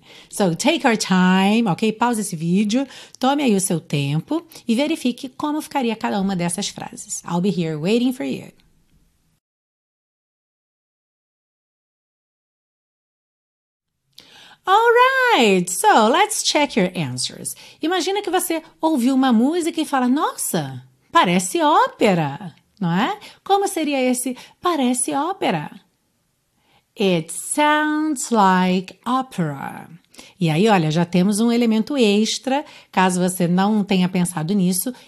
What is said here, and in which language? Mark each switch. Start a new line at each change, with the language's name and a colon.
English: So, take your time, ok?
Portuguese: Pause esse vídeo, tome aí o seu tempo e verifique como ficaria cada uma dessas frases.
English: I'll be here waiting for you. Alright, so let's check your answers.
Portuguese: Imagina que você ouviu uma música e fala, nossa, parece ópera, não é? Como seria esse parece ópera?
English: It sounds like opera.
Portuguese: E aí, olha, já temos um elemento extra, caso você não tenha pensado nisso.